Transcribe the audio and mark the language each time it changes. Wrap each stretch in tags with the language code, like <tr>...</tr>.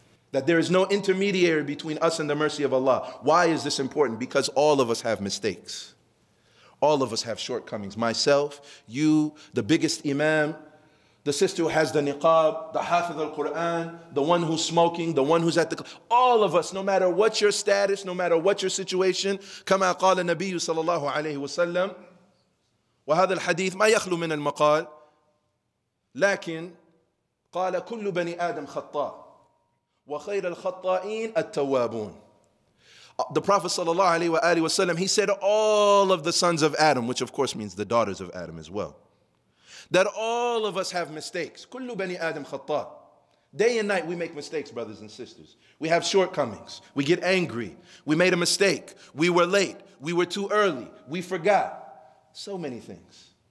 <en>That there is no intermediary between us and the mercy of Allah. Why is this important? Because all of us have mistakes. All of us have shortcomings. Myself, you, the biggest imam, the sister who has the niqab, the hafiz al-Quran, the one who's smoking, the one who's at the... All of us, no matter what your status, no matter what your situation,</en> <ar>كما قال النبي صلى الله عليه وسلم وهذا الحديث ما يخلو من المقال لكن قال كل بني آدم خطاء وخير الخطائين التوابون.</ar> <en>The Prophet sallallahu alaihi wa alihi wasallam, he said all of the sons of Adam, which of course means the daughters of Adam as well, that all of us have mistakes.</en> <ar>كل بني آدم خطاء.</ar> <en>Day and night we make mistakes, brothers and sisters. We have shortcomings. We get angry. We made a mistake. We were late. We were too early. We forgot. So many things.</en>